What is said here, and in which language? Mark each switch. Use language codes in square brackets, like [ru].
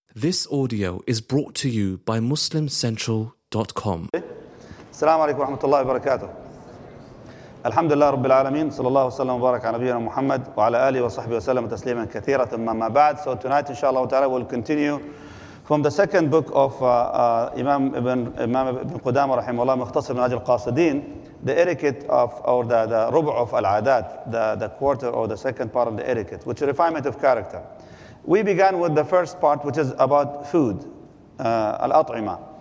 [en] This audio is brought to you by MuslimCentral.com. [ar] السلام عليكم ورحمة الله وبركاته. الحمد لله رب العالمين صلى الله وسلم وبارك على نبينا محمد وعلى آله وصحبه وسلم تسليما كثيرا ثم ما بعد. [en] So tonight [ar] إن شاء الله تعالى [en] we'll continue from the second book of Imam Ibn Qudama رحمه الله مختصر من أجل القاصدين. The etiquette of or the ربع of العادات, the quarter or the second part of the etiquette, which is refinement of character. We began with the first part, which is about food, al-at'ima.